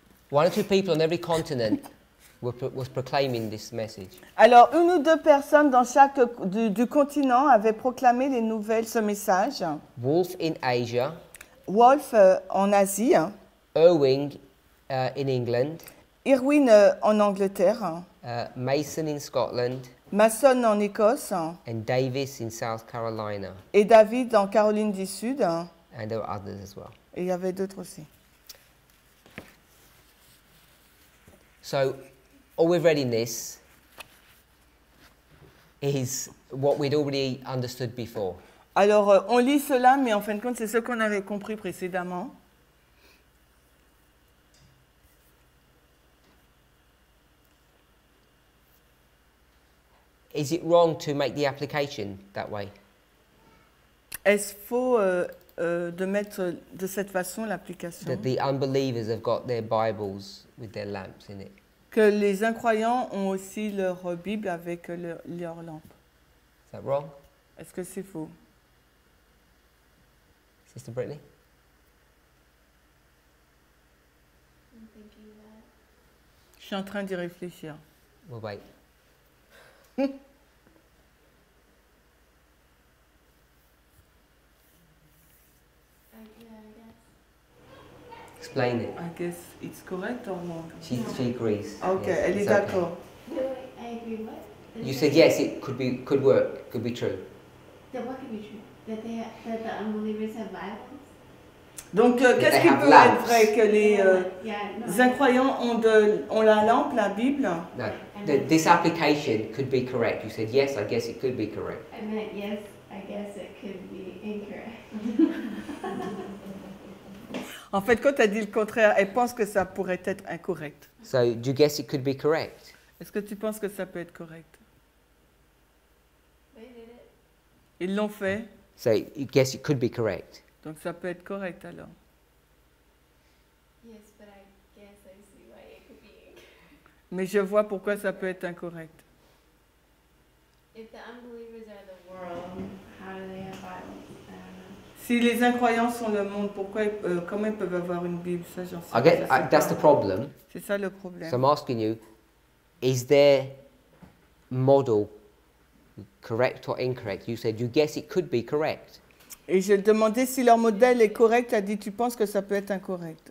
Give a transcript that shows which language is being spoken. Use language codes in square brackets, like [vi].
[en] One or two people on every continent was proclaiming this message. [fr] Alors, une ou deux personnes dans chaque du continent avaient proclamé les nouvelles ce message. [en] Wolf in Asia. [fr] Wolf en Asie. [en] Irwing in England. [fr] Irwin en Angleterre. [en] Mason in Scotland. [fr] Mason en Écosse. [en] And Davis in South Carolina. [fr] Et David en Caroline du Sud. [en] And there were others as well. [fr] Et il y avait d'autres aussi. [en] So, all we've read in this is what we'd already understood before. [fr] Alors, on lit cela, mais en fin de compte, c'est ce qu'on avait compris précédemment. [en] Is it wrong to make the application that way? [fr] Est-ce faux de mettre de cette façon l'application? [en] That the unbelievers have got their Bibles with their lamps in it. [fr] Que les incroyants ont aussi leur Bible avec leur lampe. [en] Is that wrong? [fr] Est-ce que c'est faux? [en] Sister Brittany? I'm thinking that. [fr] Je suis en train d'y réfléchir. [en] We'll wait. Explain it. I guess it's correct or wrong? She agrees. Okay, yes, [fr] elle est d'accord. [en] Okay. No, I agree with. You said yes, it could work, could be true. That what could be true? That the unbelievers have Bibles? [fr] Donc, qu'est-ce qui peut [en] lamps. [fr] Être vrai que les incroyants ont la lampe, la Bible? [en] No, this application could be correct. You said yes, I guess it could be correct. I meant yes, I guess it could be incorrect. [fr] En fait, quand tu as dit le contraire, elle pense que ça pourrait être incorrect. [en] So, do you guess it could be correct? [fr] Est-ce que tu penses que ça peut être correct? [en] They did it. [fr] Ils l'ont fait. [en] So, you guess it could be correct. [fr] Donc, ça peut être correct, alors. [en] Yes, but I guess I see why it could be incorrect. [fr] Mais je vois pourquoi ça peut être incorrect. [en] If the unbelievers are the world, how do they have Bibles? [fr] Si les incroyants sont le monde, pourquoi, comment ils peuvent avoir une Bible? Ça, j'en sais pas. [en] That's the problem. [fr] C'est ça le problème. [en] So I'm asking you, is their model correct or incorrect? You said you guess it could be correct. [fr] Et je demandais si leur modèle est correct. Tu as dit, tu penses que ça peut être incorrect?